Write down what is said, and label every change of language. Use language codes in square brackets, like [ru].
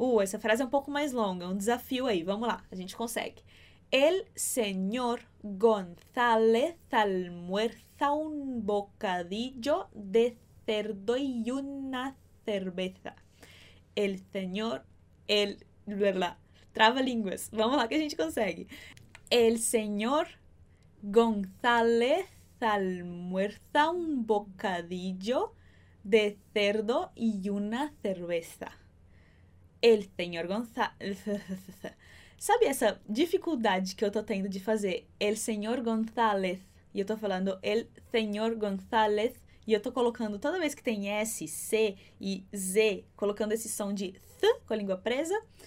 [pt] Essa frase é um pouco mais longa. É um desafio aí. Vamos lá. A gente consegue. [es] El señor González almuerza un bocadillo de cerdo y una cerveza. El señor, el, verdad, trabalínguas. [pt] Vamos lá que a gente consegue. [es] El señor González almuerza un bocadillo de cerdo y una cerveza. El señor González. [pt] Sabe essa dificuldade que eu tô tendo de fazer El Senhor González? E eu tô falando El Senhor González. E eu tô colocando toda vez que tem S, C e Z, colocando esse som de th com a língua presa.